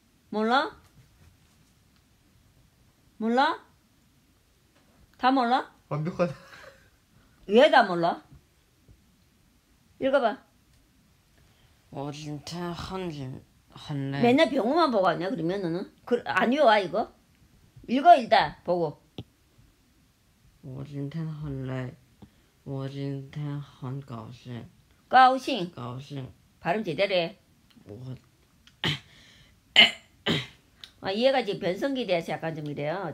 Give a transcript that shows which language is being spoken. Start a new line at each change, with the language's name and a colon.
Korean: 몰라? 몰라? 다 몰라? 완벽하다. 왜 다 몰라? 읽어봐.
Chinese: 我今天很累.
Korean: 맨날 병원만 보고 왔냐 그러면 너는? 그, 안 외워 이거? 읽어 일단 보고.
Chinese: 我今天很累。我今天很高兴。高兴。高兴。
Korean: 발음 제대로 해.
Chinese: 我...
Korean: 아, 얘가 지금 변성기 돼서 약간 좀 이래요.